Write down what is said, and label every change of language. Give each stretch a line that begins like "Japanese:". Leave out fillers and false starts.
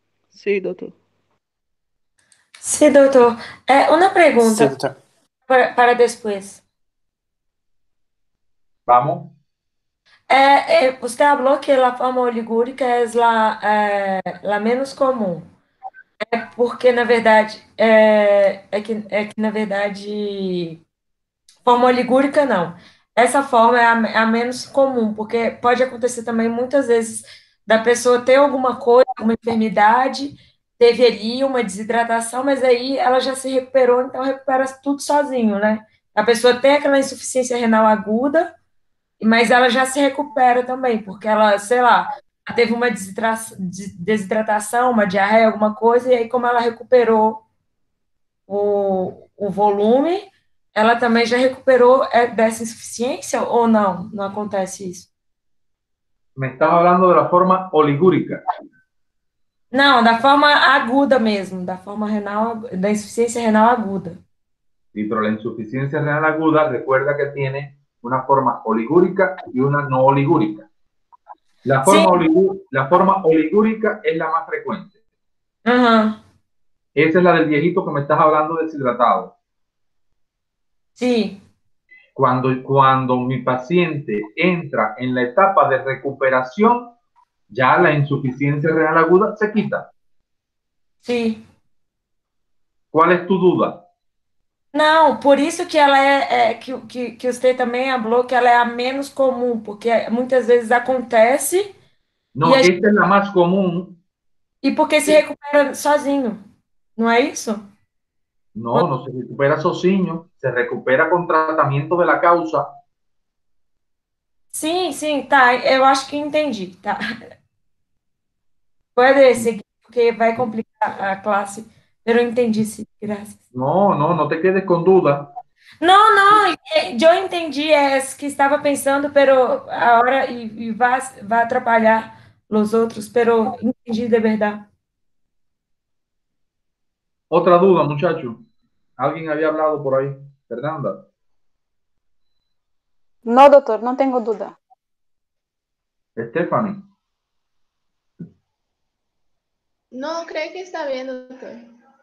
Spanish: Sí, doctor. Sí, doctor. Una pregunta. Sí, doctor. Para después. Vamos. Usted habló que la forma oligúrica es la menos común.
Portuguese: Porque, na verdade, é que na verdade, forma oligúrica, não. Essa forma é a menos comum, porque pode acontecer também muitas vezes da pessoa ter alguma coisa, alguma enfermidade, teve ali uma desidratação, mas aí ela já se recuperou, então recupera tudo sozinho, né? A pessoa tem aquela insuficiência renal aguda, mas ela já se recupera também, porque ela, sei lá, teve uma desidratação, uma diarreia, alguma coisa, e aí, como ela recuperou o volume, ela também já recuperou dessa insuficiência ou não? Não acontece isso?
Spanish: Me estaba hablando de la forma oligúrica.
Portuguese: Não, da forma aguda mesmo, da forma renal, da insuficiência renal aguda.
Spanish: Sí, pero la insuficiencia renal aguda, recuerda que tiene una forma oligúrica y una no oligúrica. La
Portuguese: Sim.
Spanish: forma oligúrica es la más frecuente. Uhum. Esa es la del viejito que me estás hablando deshidratado.
Portuguese: Sim.
Spanish: Cuando mi paciente entra en la etapa de recuperación, ya la insuficiencia renal aguda se quita.
Portuguese: Sim.
Spanish: ¿Cuál es tu duda?
Portuguese: Não, por isso que ela é que usted também falou que ela é a menos comum, porque muitas vezes acontece e
Spanish: No, esta es la más común.
Portuguese: porque se recupera sozinho, não é isso?
Spanish: No, no se recupera sozinho, se recupera con tratamiento de la causa.
Portuguese: Sim, tá, eu acho que entendi, tá. Pode seguir, porque vai complicar a classe, mas eu entendi, sim, graças.
Spanish: No, no, no te quedes con duda.
Portuguese: Não, eu entendi, é que estava pensando, pero a hora e vai atrapalhar os outros, pero entendi de verdade.
Spanish: Otra duda, muchacho. Alguien había hablado por ahí, Fernanda. No, doctor, no tengo duda. Stephanie. No, creo que está bien, doctor.